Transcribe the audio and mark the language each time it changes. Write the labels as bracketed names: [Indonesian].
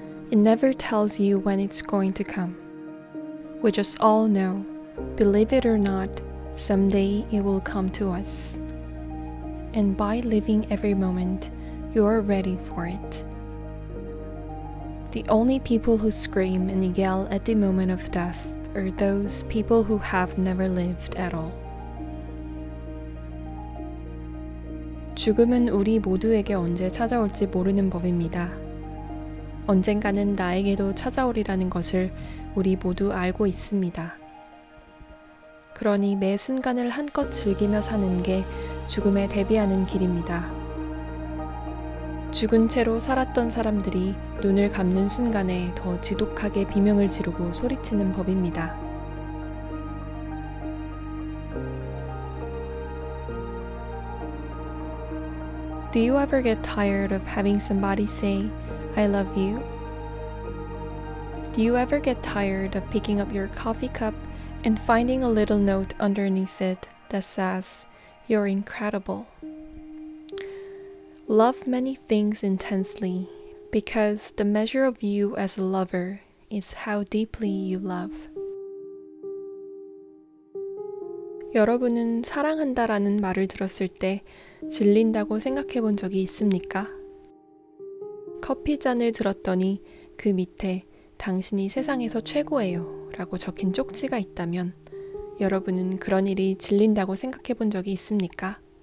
[English] It never tells you when it's going to come. We just all know, believe it or not, someday it will come to us. And by living every moment, you're ready for it. The only people who scream and yell at the moment of death are those people who have never lived at all." [Korean] 죽음은 우리 모두에게 언제 찾아올지 모르는 법입니다. 언젠가는 나에게도 찾아오리라는 것을 우리 모두 알고 있습니다. 그러니 매 순간을 한껏 즐기며 사는 게 죽음에 대비하는 길입니다. 죽은 채로 살았던 사람들이 눈을 감는 순간에 더 지독하게 비명을 지르고 소리치는 법입니다. [English] 'Do you ever get tired of having somebody say, I love you? Do you ever get tired of picking up your coffee cup and finding a little note underneath it that says, you're incredible? Love many things intensely, because the measure of you as a lover is how deeply you love." [Korean] 여러분은 사랑한다라는 말을 들었을 때 질린다고 생각해 본 적이 있습니까? 커피잔을 들었더니 그 밑에 당신이 세상에서 최고예요 라고 적힌 쪽지가 있다면 여러분은 그런 일이 질린다고 생각해 본 적이 있습니까?